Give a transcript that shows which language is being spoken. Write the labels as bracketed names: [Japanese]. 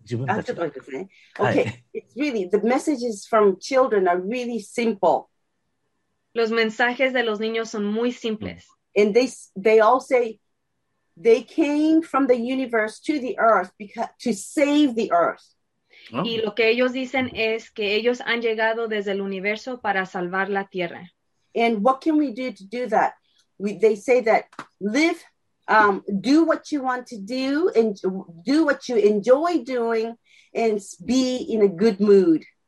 [English] It's really the messages from children are really simple. [Spanish] Los mensajes de los niños son muy simples. [English] And they all say they came from the universe to the earth to save the earth. [Spanish] Y lo que ellos dicen es que ellos han llegado desde el universo para salvar la tierra. [English] And what can we do to do that? They say that live do what you want to do and do what you enjoy doing and be in a good mood.